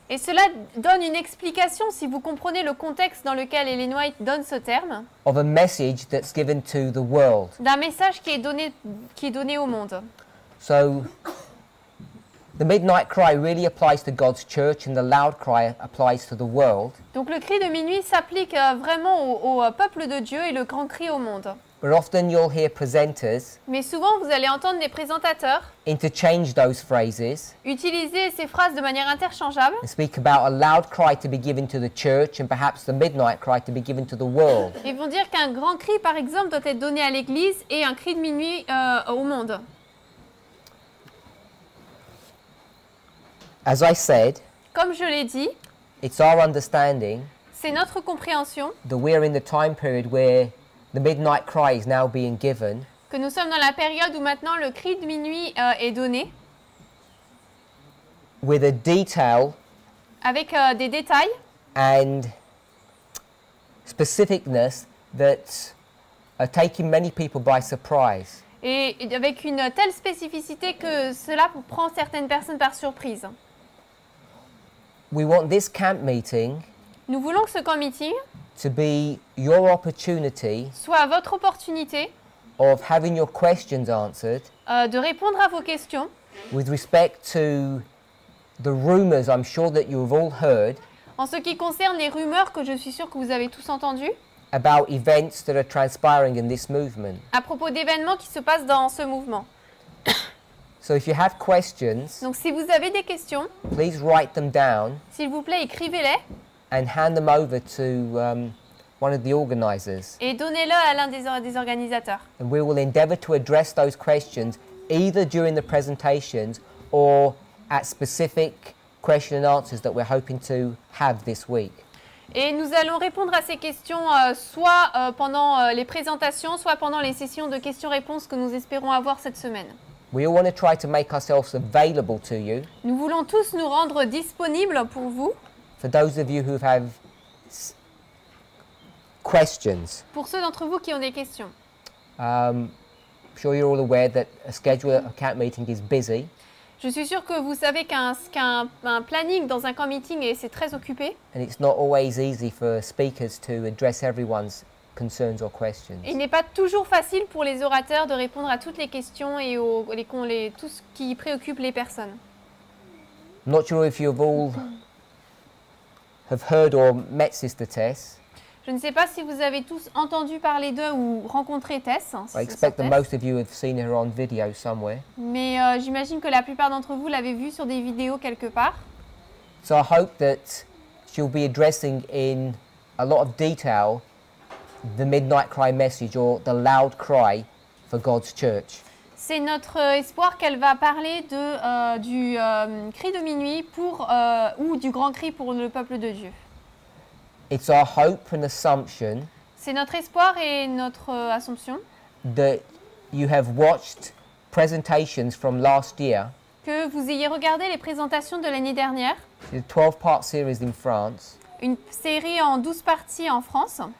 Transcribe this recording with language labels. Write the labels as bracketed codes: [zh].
[fr] Et cela donne une explication si vous comprenez le contexte dans lequel Ellen White donne ce terme. [en] Of a message that's given to the world. [fr] D'un message qui est donné au monde. [en] So the midnight cry really applies to God's church and the loud cry applies to the world. [fr] Donc le cri de minuit s'applique vraiment au peuple de Dieu et le grand cri au monde. [en] But often you'll hear presenters. [fr] Mais souvent vous allez entendre des présentateurs. [en] Interchange those phrases. [fr] Utiliser ces phrases de manière interchangeable. [en] And speak about a loud cry to be given to the church and perhaps the midnight cry to be given to the world. [fr] Ils vont dire qu'un grand cri par exemple doit être donné à l'église et un cri de minuit au monde. [en] As I said, [fr] comme je l'ai dit, [en] it's our understanding. [fr] C'est notre compréhension. [en] That we are in the time period where the midnight cry is now being given. [fr] Que nous sommes dans la période où maintenant le cri de minuit est donné. [en] With a detail. [fr] Avec des détails. [en] And specificness that are taking many people by surprise. [fr] Et avec une telle spécificité que cela prend certaines personnes par surprise. [en] We want this camp meeting. [fr] Nous voulons que ce camp meeting [en] to be your opportunity. [fr] Soit votre opportunité. [en] Of having your questions answered. [fr] De répondre à vos questions. [en] With respect to the rumors, I'm sure that you have all heard. [fr] En ce qui concerne les rumeurs que je suis sûre que vous avez tous entendues. [en] About events that are transpiring in this movement. [fr] À propos d'événements qui se passent dans ce mouvement. [en] So if you have questions, [fr] donc si vous avez des questions, [en] please write them down. [fr] S'il vous plaît, écrivez-les. [en] And hand them over to one of the organizers. [fr] Et donnez-le à l'un des organisateurs. [en] And we will endeavor to address those questions either during the presentations or at specific question and answers that we're hoping to have this week. [fr] Et nous allons répondre à ces questions soit pendant les présentations, soit pendant les sessions de questions-réponses que nous espérons avoir cette semaine. [en] We all want to try to make ourselves available to you. [fr] Nous voulons tous nous rendre disponibles pour vous. [en] For those of you who have questions. [fr] Pour ceux d'entre vous qui ont des questions. [en] I'm sure you're all aware that a scheduled account meeting is busy. [fr] Je suis sûre que vous savez qu'un planning dans un camp meeting et c'est très occupé. [en] And it's not always easy for speakers to address everyone's concerns or questions. [fr] Il n'est pas toujours facile pour les orateurs de répondre à toutes les questions et aux tout ce qui préoccupe les personnes. [en] I'm not sure if you've all have heard or met Sister Tess. [fr] Je ne sais pas si vous avez tous entendu parler d'eux ou rencontré Tess. [en] I expect that most of you have seen her on video somewhere. [fr] Mais j'imagine que la plupart d'entre vous l'avez vue sur des vidéos quelque part. [en] So I hope that she'll be addressing in a lot of detail the midnight cry message or the loud cry for God's church. [fr] C'est notre espoir qu'elle va parler de cri de minuit pour ou du grand cri pour le peuple de Dieu. [en] It's our hope and assumption. [fr] C'est notre espoir et notre assumption. [en] That you have watched presentations from last year. [fr] Que vous ayez regardé les présentations de l'année dernière. [en] A 12-part series in France. [fr] Une série en 12 parties en France.